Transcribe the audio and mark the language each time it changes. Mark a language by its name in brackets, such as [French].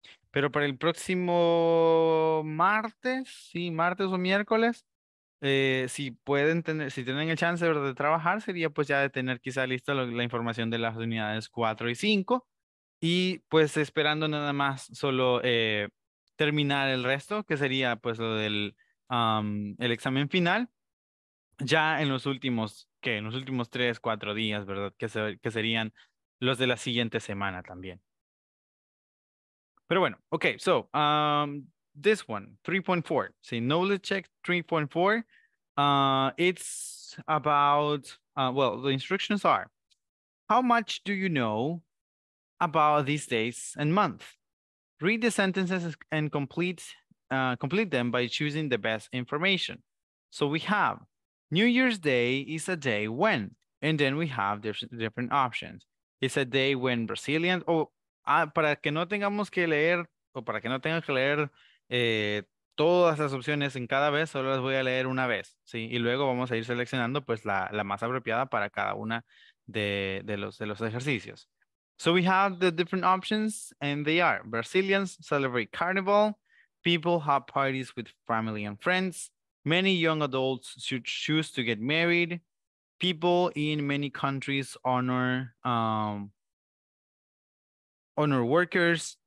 [Spanish] Pero para el próximo martes, sí, martes o miércoles, si pueden tener, si tienen el chance, ¿verdad?, de trabajar, sería pues ya de tener quizá lista la información de las unidades 4 y 5 y pues esperando nada más solo terminar el resto, que sería pues lo del el examen final, ya en los últimos... que en los últimos 3-4 días, ¿verdad? Que serían los de la siguiente semana también. Pero bueno, [English] ok, so, this one, 3.4, sí, knowledge check 3.4, it's about, well, the instructions are, how much do you know about these days and month? Read the sentences and complete them by choosing the best information. So we have, New Year's Day is a day when, and then we have different options. It's a day when Brazilians, [Spanish] para que no tengamos que leer, o para que no tengan que leer todas las opciones en cada vez, solo las voy a leer una vez, ¿sí? Y luego vamos a ir seleccionando pues la más apropiada para cada una de los ejercicios. [English] So we have the different options, and they are, Brazilians celebrate Carnival, people have parties with family and friends, many young adults should choose to get married. People in many countries honor workers.